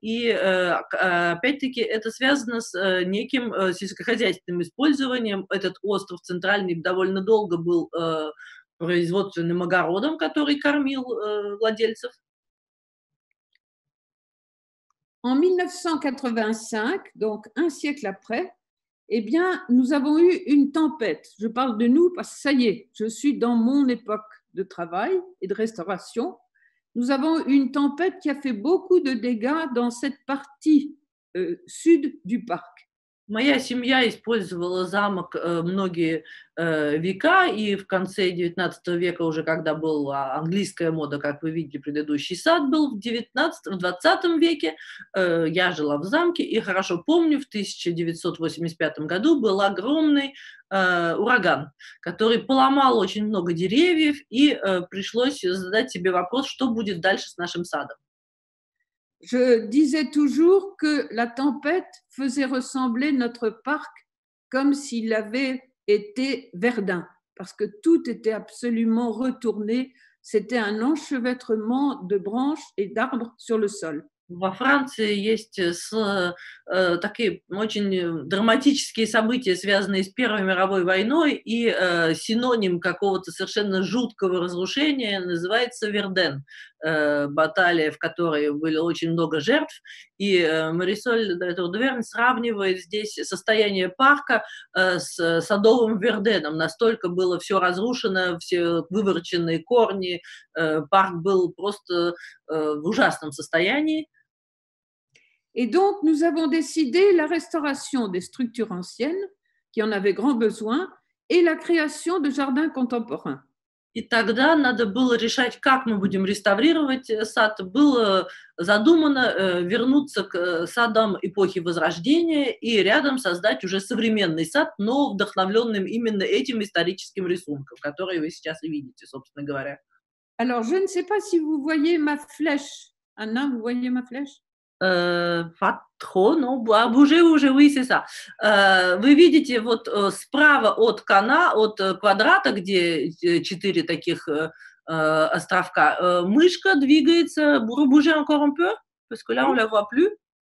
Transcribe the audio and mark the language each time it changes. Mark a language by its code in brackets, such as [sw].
[ru] Опять-таки, это связано с неким сельскохозяйственным использованием. Этот остров центральный довольно долго был... производственным огородом, который кормил владельцев. [fr] En 1985, donc un siècle après, eh bien, nous avons eu une tempête. Je parle de nous parce que ça y est, je suis dans mon époque de travail et de restauration. Nous avons eu une tempête qui a fait beaucoup de dégâts dans cette partie sud du parc. [ru] Моя семья использовала замок многие века, и в конце 19 века, уже когда была английская мода, как вы видели, предыдущий сад был в 19, в 20 веке, я жила в замке, и хорошо помню, в 1985 году был огромный ураган, который поломал очень много деревьев, и пришлось задать себе вопрос, что будет дальше с нашим садом. [fr] Je disais toujours que la tempête faisait ressembler notre parc comme s'il avait été verdun, parce que tout était absolument retourné. C'était un enchevêtrement de branches et d'arbres sur le sol. [ru] Во Франции есть такие очень драматические события, связанные с Первой мировой войной, и синоним какого-то совершенно жуткого разрушения называется Верден, баталия, в которой было очень много жертв. И Марисоль де Турдверн сравнивает здесь состояние парка с садовым Верденом. Настолько было все разрушено, все вывороченные корни, парк был просто в ужасном состоянии. [fr] Et donc, nous avons décidé la restauration des structures anciennes, qui en avaient grand besoin, et la création de jardins contemporains. [ru] И тогда надо было решать, как мы будем реставрировать сад. Было задумано вернуться к садам эпохи Возрождения и рядом создать уже современный сад, но вдохновленным именно этим историческим рисунком, который вы сейчас и видите, собственно говоря. [fr] Alors, je ne sais pas si vous voyez ma flèche. Anna, vous voyez ma flèche? Pas trop, non, bougez, oui, c'est ça. [ru] Вы видите вот справа от канала, от квадрата, где четыре таких островка, мышка двигается, [fr] bougez encore un peu, parce que là, on la voit plus.